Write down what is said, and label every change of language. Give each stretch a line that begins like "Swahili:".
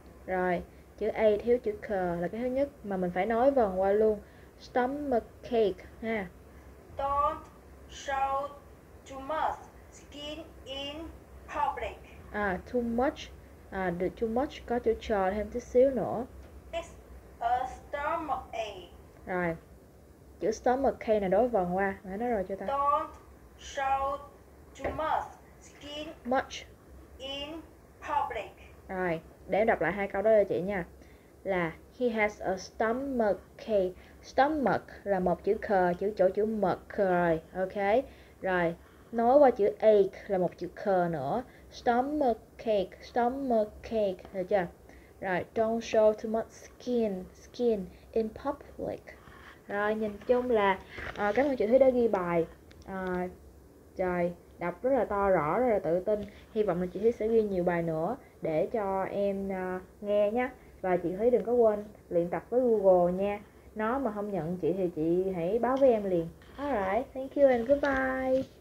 Vietnamese: Rồi, chữ A thiếu chữ K là cái thứ nhất mà mình phải nói vần qua luôn.
English: Stomachache ha. Don't show too much skin in public. À, too much.
Vietnamese: À,
English: too much
Vietnamese: có chữ ch thêm chút xíu nữa.
English: It's a stomachache.
Vietnamese: Rồi. Chữ stomachache này đối vần qua, nãy nói rồi cho ta.
English: Don't show too much skin much in public.
Vietnamese: Rồi, để em đọc lại hai câu đó cho chị nha. Là
English: he has a stomachache.
Vietnamese: Stomach là một chữ khờ, chữ chỗ chữ mực rồi, ok. Rồi, nối qua chữ ache là một chữ khờ nữa. Stomachache, stomachache, được chưa?
English: Rồi, don't show too much skin, skin in public.
Vietnamese: Rồi, nhìn chung là cảm ơn chị Thúy đã ghi bài. Trời, đọc rất là to rõ, rất là tự tin. Hy vọng là chị Thúy sẽ ghi nhiều bài nữa để cho em nghe nhé. Và chị Thúy đừng có quên luyện tập với Google nha. Nó mà không nhận chị thì chị hãy báo với em liền.
English: Alright, thank you and goodbye.